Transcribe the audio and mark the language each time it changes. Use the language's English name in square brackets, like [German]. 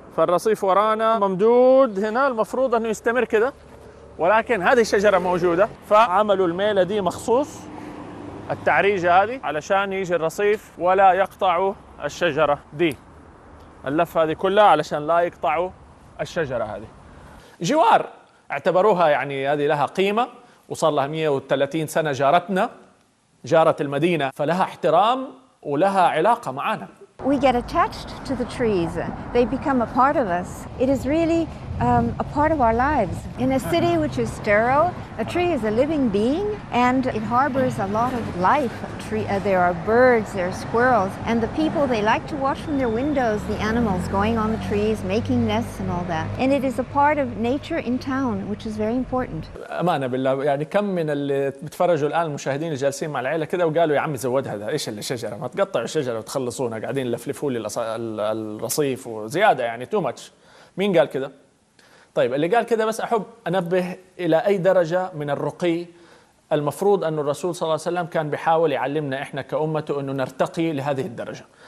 [Arabic] فالرصيف ورانا ممدود هنا، المفروض أنه يستمر كده، ولكن هذه الشجرة موجودة، فعملوا الميلة دي مخصوص التعريجة هذه علشان يجي الرصيف ولا يقطعوا الشجرة دي، اللفة هذه كلها علشان لا يقطعوا الشجرة هذه. جوار اعتبروها يعني هذه لها قيمة، وصار لها 130 سنة جارتنا، جارة المدينة، فلها احترام ولها علاقة معنا. [English] We get attached to the trees. They become a part of us. It is really a part of our lives. In a city which is sterile, a tree is a living being and it harbors a lot of life. There are birds, there are squirrels, and the people, they like to watch from their windows the animals going on the trees, making nests and all that. And it is a part of nature in town, which is very important. [Arabic] أمانة بالله يعني كم من اللي بتفرجوا الآن المشاهدين الجالسين مع العيلة كده وقالوا يا عمي زود هذا إيش الشجرة ما تقطعوا الشجرة وتخلصونها قاعدين لفلفوا لي الرصيف وزيادة يعني [English] too much. [Arabic] مين قال كده؟ طيب اللي قال كده بس أحب أنبه إلى أي درجة من الرقي المفروض أن الرسول صلى الله عليه وسلم كان بيحاول يعلمنا إحنا كأمته أنه نرتقي لهذه الدرجة.